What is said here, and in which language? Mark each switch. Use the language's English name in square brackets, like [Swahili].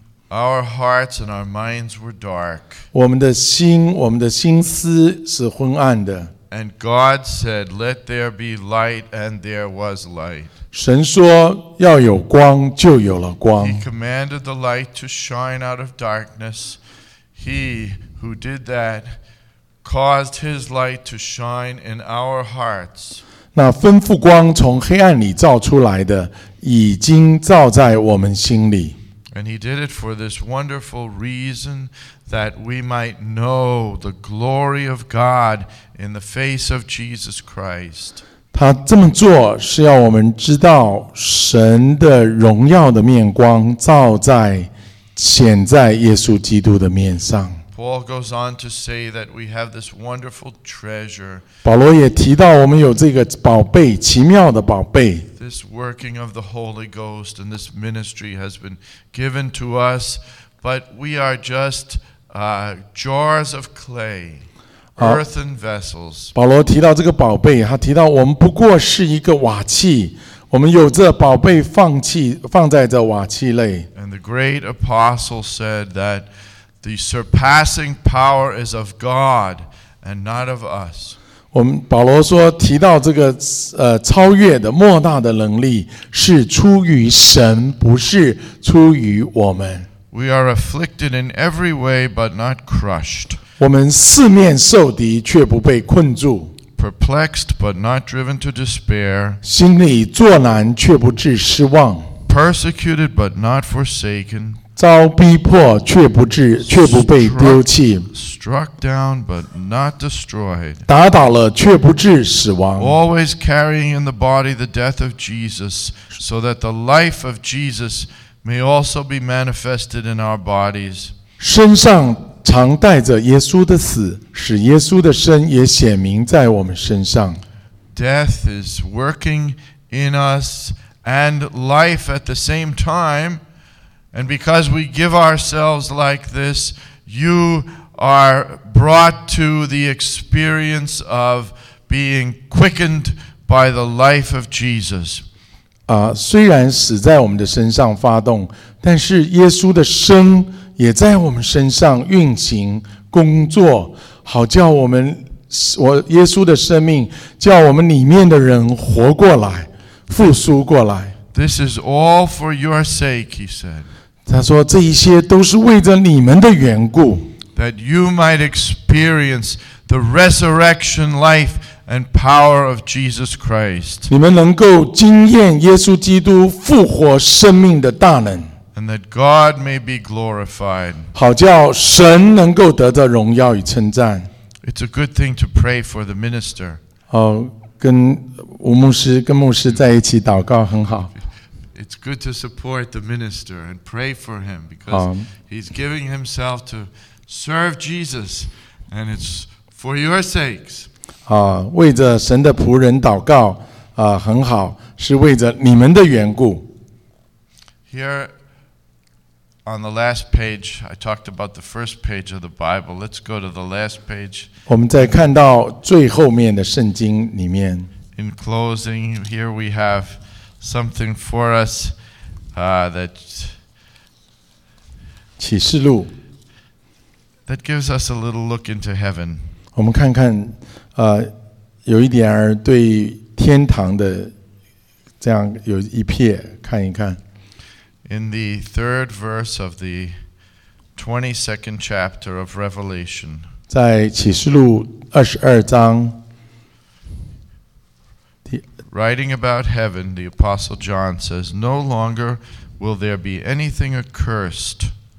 [English] Our hearts and our minds were dark. [Chinese] 我们的心我们的心思是昏暗的。 [English] And God said, let there be light, and there was light. [Chinese] 神说要有光就有了光。 [English] He commanded the light to shine out of darkness. He who did that caused his light to shine in our hearts. [Chinese] 那吩咐光从黑暗里照出来的已经照在我们心里。 [English] And he did it for this wonderful reason that we might know the glory of God in the face of Jesus Christ. [Chinese] 他这么做是要我们知道神的荣耀的面光照在显在耶稣基督的面上。 [English] Paul goes on to say that we have this wonderful treasure. [Chinese] 保罗也提到我们有这个宝贝，奇妙的宝贝。 [English] This working of the Holy Ghost and this ministry has been given to us, but we are just jars of clay, earthen vessels. [Chinese] 保罗提到这个宝贝，他提到我们不过是一个瓦器，我们有这宝贝放在这瓦器内。 [English] And the great apostle said that. The surpassing power is of God and not of us. [Chinese] 我们保罗说提到这个超越的莫大的能力是出于神，不是出于我们。 [English] We are afflicted in every way, but not crushed. [Chinese] 我们四面受敌，却不被困住。 [English] Perplexed, but not driven to despair. [Chinese] 心里作难，却不致失望。 [English] Persecuted, but not forsaken. [Chinese] 遭逼迫却不致却不被丢弃 [English] struck down but not destroyed [Chinese] 打倒了却不致死亡 [English] always carrying in the body the death of Jesus so that the life of Jesus may also be manifested in our bodies [Chinese] 身上常带着耶稣的死使耶稣的身也显明在我们身上 [English] death is working in us and life at the same timeAnd because we give ourselves like this, you are brought to the experience of being quickened by the life of Jesus. [Chinese] 虽然死在我们的身上发动，但是耶稣的生也在我们身上运行工作，好叫我们耶稣的生命叫我们里面的人活过来，复苏过来。 [English] This is all for your sake, he said. [Chinese] 他说这一些都是为着你们的缘故 [English] that you might experience the resurrection life and power of Jesus Christ [Chinese] 你们能够经验耶稣基督复活生命的大能 [English] and that God may be glorified [Chinese] 好叫神能够得着荣耀与称赞 [English] it's a good thing to pray for the minister [Chinese] 跟吴牧师跟牧师在一起祷告很好 [English] It's good to support the minister and pray for him because he's giving himself to serve Jesus and it's for your sakes. [Chinese] 为着神的仆人祷告很好是为着你们的缘故。 [English] Here on the last page, I talked about the first page of the Bible. Let's go to the last page. [Chinese] 我们再看到最后面的圣经里面。 [English] In closing, here we have... Something for us that [Chinese] 启示录 [English] that gives us a little look into heaven. [Chinese] 我们看看有一点儿对天堂的这样有一瞥看一看 [English] In the third verse of the 22nd chapter of Revelation, [Chinese] 在启示录二十二章。 [English] Writing about heaven, the Apostle John says, No longer will there be anything accursed.